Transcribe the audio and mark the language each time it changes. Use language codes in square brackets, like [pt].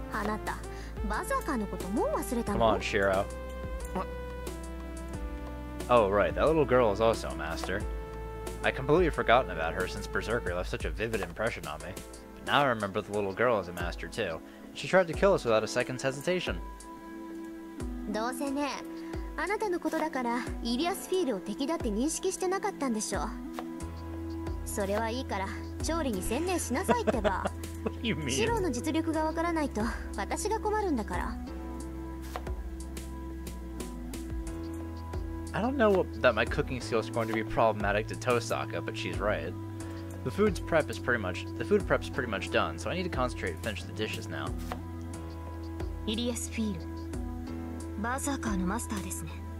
[ja] 何言ってるのよ。私とシロ、それにイリアスフィールで3人でしょ。あなた、バザーカーのこともう忘れたの？ [en] Come on, Shiro. What? Oh, right, that little girl is also a master. I completely forgotten about her since Berserker left such a vivid impression on me. But now I remember the little girl is a master, too. She tried to kill us without a second's hesitation. [ja] どうせね。あなたのことだから、イリアスフィールを敵だって認識してなかったんでしょう。それはいいから、調理に専念しなさいってば。シロの実力がわからないと、私が困るんだから。 [en] I don't know that my cooking skills are going to be problematic to Tosaka, but she's right. The food prep's pretty much done, so I need to concentrate and finish the dishes now. [ja] Ilias Field. Berserker no master desu ne.